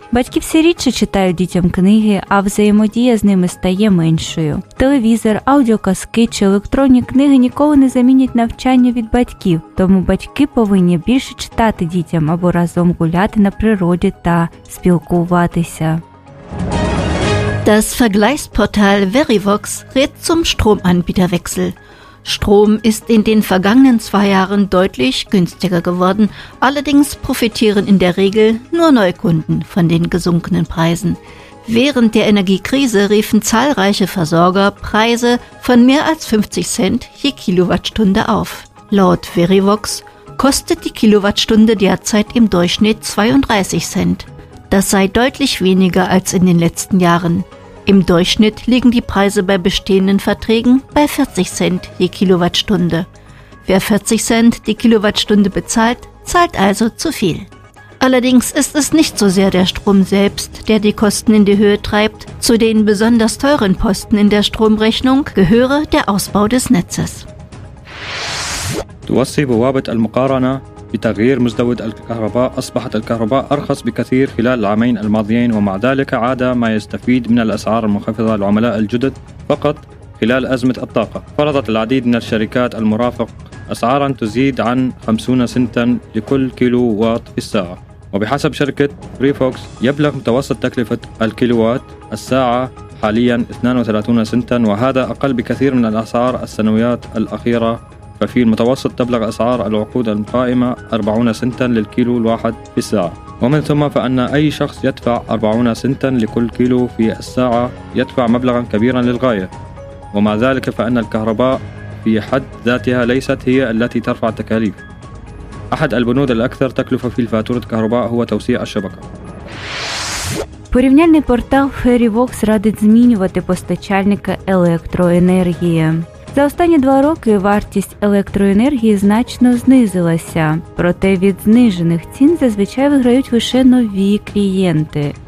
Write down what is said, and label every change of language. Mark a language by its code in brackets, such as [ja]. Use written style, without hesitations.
[uk] Батьки все рідше читають дітям книги, а взаємодія з ними стає меншою. Телевізор, аудіоказки чи електронні книги ніколи не замінять навчання від батьків, тому батьки повинні більше читати дітям або разом гуляти на природі та спілкуватися. [de] Das Vergleichsportal Verivox rät zum Stromanbieterwechsel. Strom ist in den vergangenen zwei Jahren deutlich günstiger geworden. Allerdings profitieren in der Regel nur Neukunden von den gesunkenen Preisen. Während der Energiekrise riefen zahlreiche Versorger Preise von mehr als 50 Cent je Kilowattstunde auf. Laut Verivox kostet die Kilowattstunde derzeit im Durchschnitt 32 Cent. Das sei deutlich weniger als in den letzten Jahren. Im Durchschnitt liegen die Preise bei bestehenden Verträgen bei 40 Cent je Kilowattstunde. Wer 40 Cent die Kilowattstunde bezahlt, zahlt also zu viel. Allerdings ist es nicht so sehr der Strom selbst, der die Kosten in die Höhe treibt. Zu den besonders teuren Posten in der Stromrechnung gehöre der Ausbau des Netzes. [ar] توصي بوابة المقارنة بتغيير مزدوج الكهرباء. أصبحت الكهرباء أرخص بكثير خلال العامين الماضيين، ومع ذلك عاد ما يستفيد من الأسعار المنخفضة العملاء الجدد فقط خلال أزمة الطاقة. فرضت العديد من الشركات المرافق أسعارا تزيد عن 50 سنتا لكل كيلو وات في الساعة. وبحسب شركة ريفوكس يبلغ متوسط تكلفة الكيلوات الساعة حاليا 32 سنتا، وهذا أقل بكثير من الأسعار السنويات الأخيرة. ففي المتوسط تبلغ أسعار العقود القائمة 40 سنتا للكيلو الواحد في الساعة، ومن ثم فأن أي شخص يدفع 40 سنتا لكل كيلو في الساعة يدفع مبلغا كبيرا للغاية. ومع ذلك فأن الكهرباء في حد ذاتها ليست هي التي ترفع التكاليف. أحد البنود الأكثر تكلفة في فاتورة الكهرباء هو توسيع الشبكة. [uk] Порівняльний портал Verivox радить змінювати постачальника електроенергії. За останні два роки вартість електроенергії значно знизилася. Проте від знижених цін зазвичай виграють лише нові клієнти.